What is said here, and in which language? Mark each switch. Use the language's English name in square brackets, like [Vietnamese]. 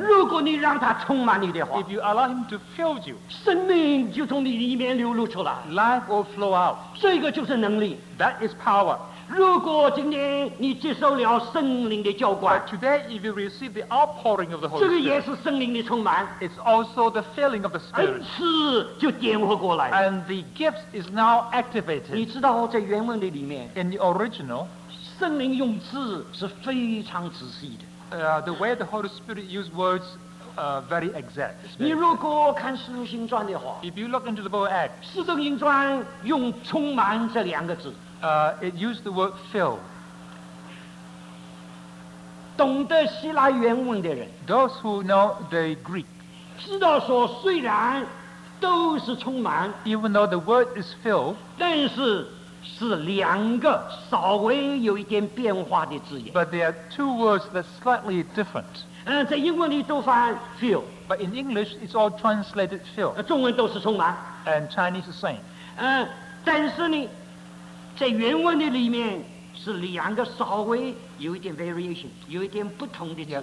[Chinese] 如果你让他充满你的话, [English] if you allow him to fill you, [Chinese] 生命就从你里面流露出来, [English] life will flow out. [Chinese] 这个就是能力, [English] that is power. [Chinese] 如果今天你接受了圣灵的浇灌, [English] but today if you receive the outpouring of the Holy Spirit, [Chinese] 这个也是圣灵的充满, [English] it's also the filling of the Spirit. [Chinese] 恩赐就点活过来, [English] and the gift is now activated. [Chinese] 你知道在原文的里面, [English] in the original, [Chinese] 圣灵用字是非常仔细的, [English] the way the Holy Spirit used words very exact. [Chinese] 你如果看使徒行传的话， [English] if you look into the book of Acts, [Chinese] 使徒行传用充满这两个字。 [English] It used the word fill. [Chinese] 懂得希腊原文的人， [English] those who know the Greek, [Chinese] 知道说虽然都是充满， [English] even though the word is fill, [Chinese] 但是是两个稍微有一点变化的字眼。 [English] But there are two words that are slightly different. [Chinese] 在英文里都翻 fill. [English] But in English, it's all translated fill. [Chinese] 中文都是充满。 [English] And Chinese the same. [Chinese] 但是呢，在原文的里面是两个稍微有一点 variation, 有一点不同的字眼。